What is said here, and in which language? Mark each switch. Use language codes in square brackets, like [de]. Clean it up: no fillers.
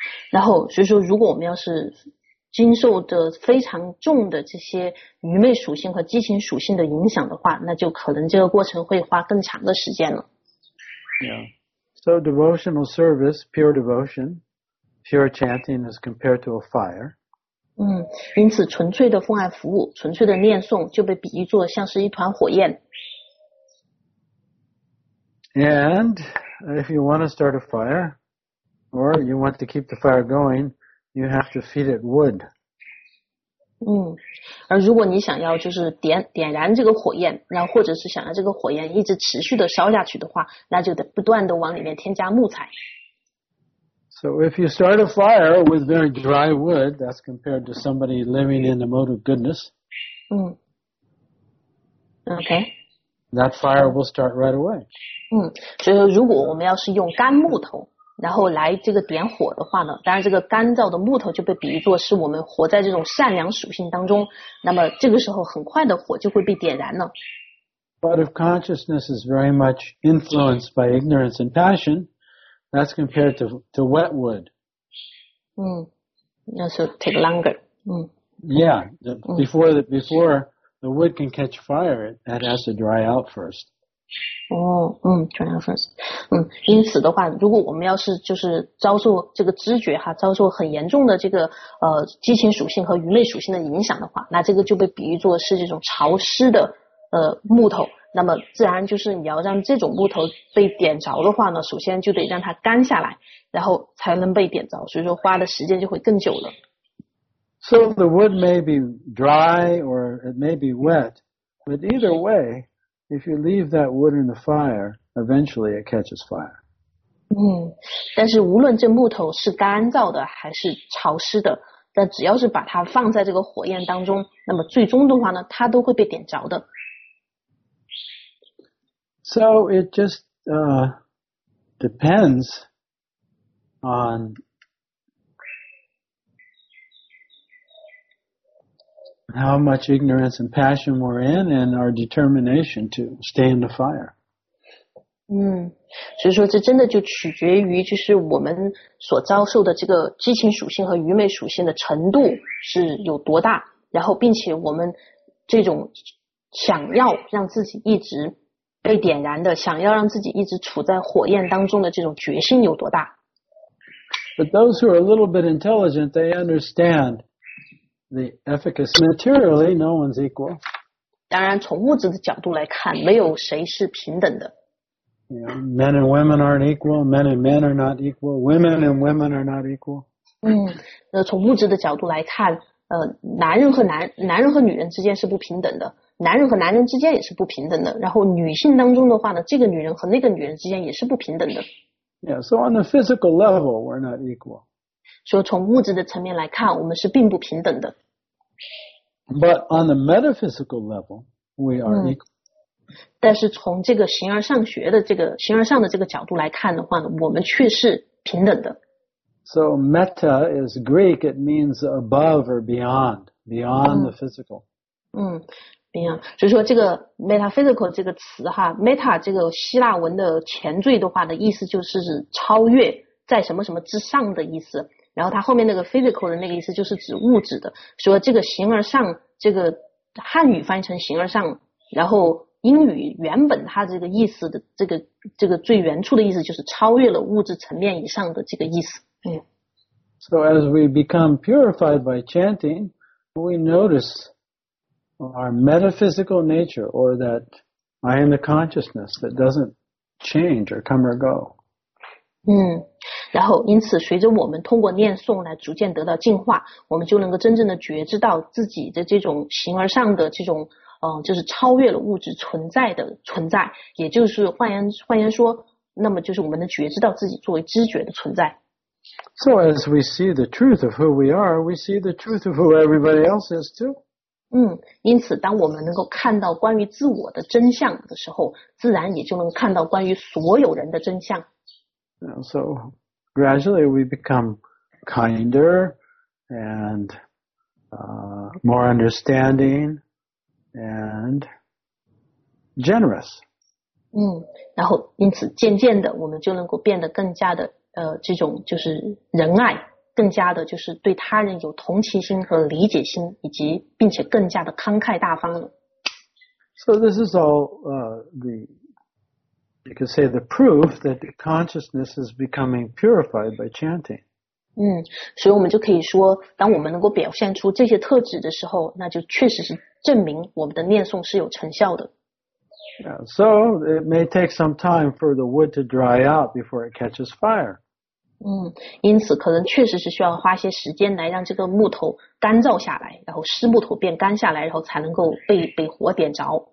[zh] 然后所以说如果我们要是经受的非常重的这些愚昧属性和激情属性的影响的话，那就可能这个过程会花更长的时间了。 [en] Yeah. So devotional service, pure devotion, pure chanting is compared to a fire. [zh] 嗯，因此纯粹的奉爱服务，纯粹的念诵就被比喻作像是一团火焰。 [en] And if you want to start a fire, or you want to keep the fire going,You have to feed it wood. [zh] 嗯，而如果你想要就是点燃这个火焰，然后或者是想要这个火焰一直持续的烧下去的话，那就得不断的往里面添加木材。 [en] So if you start a fire with very dry wood, that's compared to somebody living in the mode of goodness. 嗯。Okay. That fire will start right away. [zh] 嗯，所以说如果我们要是用干木头。然后来这个点火的话呢，当然这个干燥的木头就被比喻作是我们活在这种善良属性当中，那么这个时候很快的火就会被点燃了。 [en] But if consciousness is very much influenced by ignorance and passion, that's compared to wet wood. [zh] 嗯，那是 [en] take longer. [zh] 嗯。 [en] Yeah, before the wood can catch fire, it has to dry out first. Dry out first. [zh] 嗯，因此的话，如果我们要是就是遭受这个知觉哈，遭受很严重的这个激情属性和愚昧属性的影响的话，那这个就被比喻作是这种潮湿的木头。那么自然就是你要让这种木头被点着的话呢，首先就得让它干下来，然后才能被点着。所以说花的时间就会更久了。 [en] So the wood may be dry or it may be wet, but either way. If you leave that wood in the fire, eventually it catches fire. [zh] 但是无论这木头是干燥的还是潮湿的，但只要是把它放在这个火焰当中，那么最终的话呢，它都会被点着的。 [en] So it just depends on how much ignorance and passion we're in and our determination to stay in the fire. [zh] 所以说这真的就取决于就是我们所遭受的这个激情属性和愚昧属性的程度是有多大，然后并且我们这种想要让自己一直被点燃的，想要让自己一直处在火焰当中的这种决心有多大。 [en] But those who are a little bit intelligent, they understand. The efficacy materially, no one's equal. [zh] 当然，从物质的角度来看，没有谁是平等的。 [en] Yeah, men and women aren't equal. Men and men are not equal. Women and women are not equal. [zh] 从物质的角度来看，男人和女人之间是不平等的，男人和男人之间也是不平等的。然后女性当中的话呢，这个女人和那个女人之间也是不平等的。 [en] Yeah, so on the physical level, we're not equal. [zh] 说从物质的层面来看，我们是并不平等的。 [en] But on the metaphysical level, we are equal. [zh] 但是从这个形而上学的这个形而上的这个角度来看的话呢，我们却是平等的。 [en] So meta is Greek. It means above or beyond, beyond the physical. beyond. [zh] 所以说这个 metaphysical 这个词哈 ，meta 这个希腊文的前缀的话呢，意思就是指超越，在什么什么之上的意思。然后它后面那个 physical 的那个意思就是指物质的，说这个形而上，这个汉语翻译成形而上，然后英语原本它这个意思的这个最原初的意思就是超越了物质层面以上的这个意思。 [en] So as we become purified by chanting, we notice our metaphysical nature, or that I am the consciousness that doesn't change or come or go. [zh] 然后因此随着我们通过念诵来逐渐得到净化，我们就能够真正的觉知到自己的这种形而上的这种就是超越了物质存在的存在，也就是换言说，那么就是我们能觉知到自己作为知觉的存在。 [en] So as we see the truth of who we are, we see the truth of who everybody else is too. [zh] 因此当我们能够看到关于自我的真相的时候，自然也就能看到关于所有人的真相。 [en] So gradually we become kinder and more understanding and generous. [zh] 然后因此渐渐的我们就能够变得更加的这种就是仁爱，更加的就是对他人有同情心和理解心，以及并且更加的慷慨大方了。 [en] So this is all you could say the proof that the consciousness is becoming purified by chanting. [zh] 嗯，所以我们就可以说，当我们能够表现出这些特质的时候，那就确实是证明我们的念诵是有成效的。 [en] Yeah, so it may take some time for the wood to dry out before it catches fire. [zh] 嗯，因此可能确实是需要花些时间来让这个木头干燥下来，然后湿木头变干下来，然后才能够被火点着。